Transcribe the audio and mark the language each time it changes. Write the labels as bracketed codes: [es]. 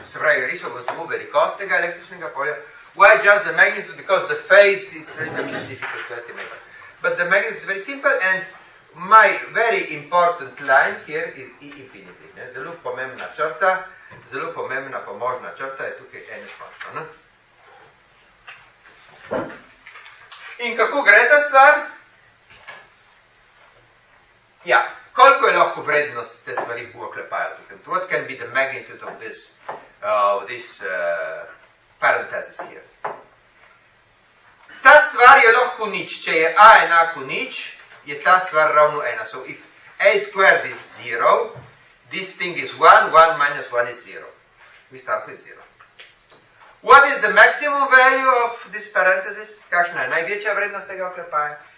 [sl] Se pravi, risal bom samo velikost tega električnega polja. [en] Why just the magnitude? Because the phase is a little bit difficult to estimate. But the magnitude is very simple and my very important line here is E infinity. [sl] Ne? Zelo pomembna črta, zelo pomembna pomožna črta je tukaj ene končno. Ne? In kako gre ta stvar? Ja, koliko je lahko vrednost te stvari bo oklepajo tukaj? [en] What can be the magnitude of this parenthesis here. [sl] Ta stvar je lahko nič. Če je a enako nič, je ta stvar ravno ena. [en] So if a squared is 0, this thing is 1, 1 minus 1 is 0. We start with 0. What is the maximum value of this parenthesis? [sl] Kakšna je največja vrednost tega oklepaja?